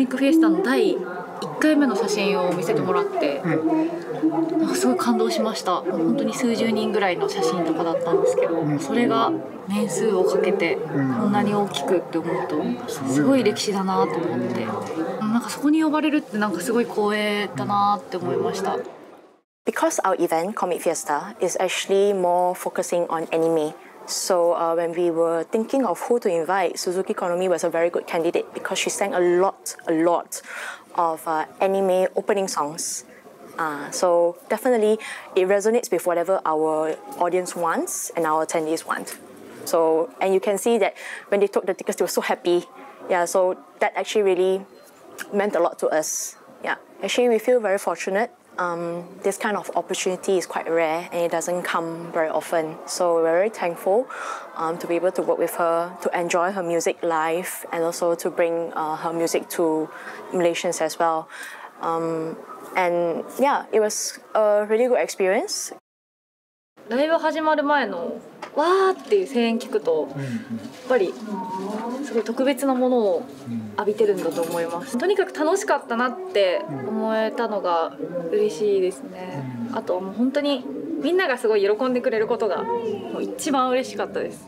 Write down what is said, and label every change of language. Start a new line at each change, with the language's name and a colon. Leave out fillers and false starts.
Japanese: ェスタの第1回目の写真を見せてもらって、うん、なんかすごい感動しました。本当に数十人ぐらいの写真とかだったんですけど、うん、それが年数をかけてこんなに大きくって思うとすごい歴史だなと思って、うん、なんかそこに呼ばれるってなんかすごい光栄だなって思いました。
English: Because our event Comic Fiesta is actually more focusing on animeSo when we were thinking of who to invite, Suzuki Konomi was a very good candidate because she sang a lot of anime opening songs. So definitely it resonates with whatever our audience wants and our attendees want. So, and you can see that when they took the tickets, they were so happy. Yeah, so that actually really meant a lot to us. Yeah, actually we feel very fortunate. This kind of opportunity is quite rare and it doesn't come very often. So we're very thankful to be able to work with her, to enjoy her music live and also to bring her music to Malaysians as well. And yeah, it was a really good experience.
Japanese: ライブ始まる前のわーっていう声援聞くとやっぱりすごい特別なものを浴びてるんだと思います。とにかく楽しかったなって思えたのが嬉しいですね。あと、もう本当にみんながすごい喜んでくれることがもう一番嬉しかったです。